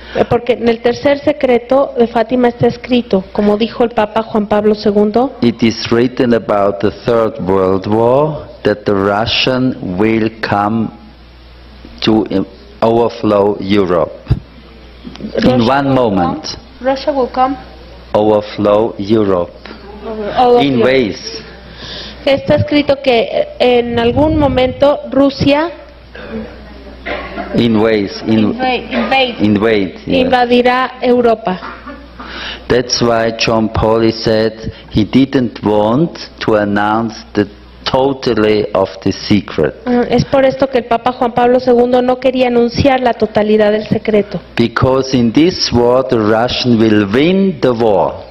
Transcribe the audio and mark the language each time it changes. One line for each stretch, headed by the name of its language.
Spanish: Porque en el tercer secreto de Fátima está escrito, como dijo el Papa Juan Pablo II.
English: It is written about the Third World War that the Russian will come to overflow Europe. In Russia one moment. Come? Russia will come. Overflow Europe. Over in Europe. Ways.
Spanish: Está escrito que en algún momento Rusia.
English: In ways, invade. Yes.
Spanish: Invadirá Europa.
English: That's why John Paul said he didn't want to announce the totally of the secret.
Spanish: Es por esto que el Papa Juan Pablo II no quería anunciar la totalidad del secreto.
English: Because in this war the Russian will win the war.